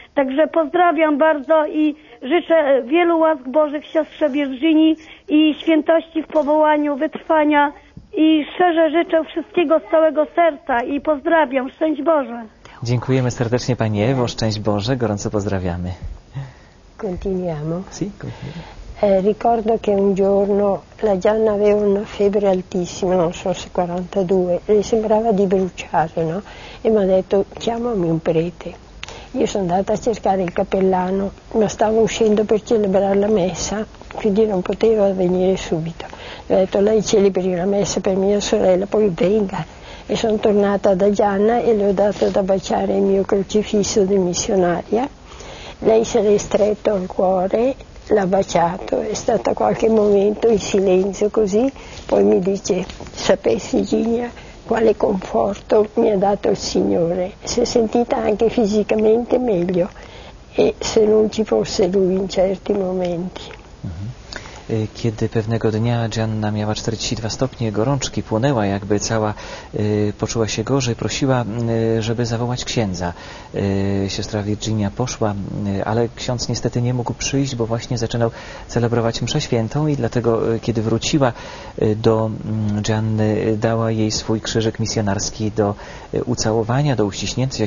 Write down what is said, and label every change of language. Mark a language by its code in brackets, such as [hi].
[pl] Także pozdrawiam bardzo i życzę wielu łask Bożych siostrze Virginii i świętości w powołaniu, wytrwania i szczerze życzę wszystkiego z całego serca i pozdrawiam. Szczęść Boże. Dziękujemy serdecznie Pani Ewo, szczęść Boże, gorąco pozdrawiamy. [it] Continuiamo. Sì, continuiamo. Ricordo che un giorno la Gianna aveva una febbre altissima, non so se 42, le sembrava di bruciare, no? E mi ha detto, chiamami un prete. Io sono andata a cercare il cappellano, ma stavo uscendo per celebrare la messa, quindi non potevo venire subito. Gli ho detto, lei celebri la messa per mia sorella, poi venga. E sono tornata da Gianna e le ho dato da baciare il mio crocifisso di missionaria. Lei se l'è stretto al cuore, l'ha baciato, è stato qualche momento in silenzio così, poi mi dice, sapessi Ginia quale conforto mi ha dato il Signore, si è sentita anche fisicamente meglio, e se non ci fosse lui in certi momenti. [pl] Kiedy pewnego dnia Gianna miała 42 stopnie gorączki, płonęła jakby cała, poczuła się gorzej, prosiła, żeby zawołać księdza. Siostra Virginia poszła, ale ksiądz niestety nie mógł przyjść, bo właśnie zaczynał celebrować mszę świętą i dlatego, kiedy wróciła do Gianny, dała jej swój krzyżyk misjonarski do ucałowania, do uściśnięcia.